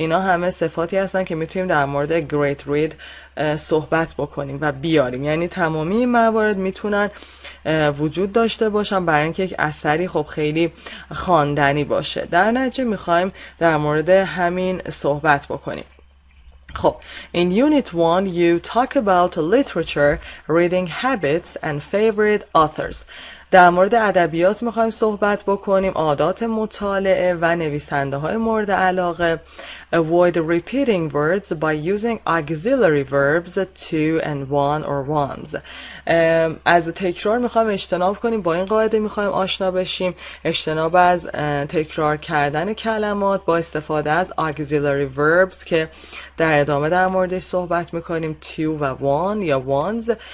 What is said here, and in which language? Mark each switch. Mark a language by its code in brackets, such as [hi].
[fa] اینا همه صفاتی هستن که میتونیم در مورد great read صحبت بکنیم و بیاریم. یعنی تمامی این موارد میتونن وجود داشته باشن برای اینکه یک اثری خب خیلی خواندنی باشه. در نتیجه میخوایم در مورد همین صحبت بکنیم. [en] خب in unit 1 you talk about literature, reading habits and favorite authors. [fa] در مورد ادبیات میخوایم صحبت بکنیم، عادات مطالعه و نویسنده های مورد علاقه. [en] Avoid repeating words by using auxiliary verbs two and one or ones. [fa] از تکرار میخوایم اجتناب کنیم، با این قاعده میخوایم آشنا بشیم، اجتناب از تکرار کردن کلمات با استفاده از auxiliary verbs که در ادامه در موردش صحبت میکنیم، two و one یا ones.